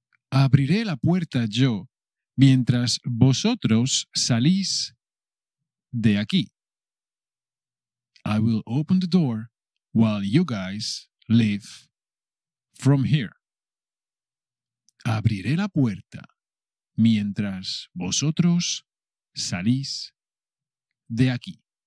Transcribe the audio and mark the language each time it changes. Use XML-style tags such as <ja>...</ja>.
<es>Abriré la puerta yo mientras vosotros salís de aquí.</es> <en>I will open the door while you guys leave from here.</en> <es>Abriré la puerta mientras vosotros salís de aquí.</es>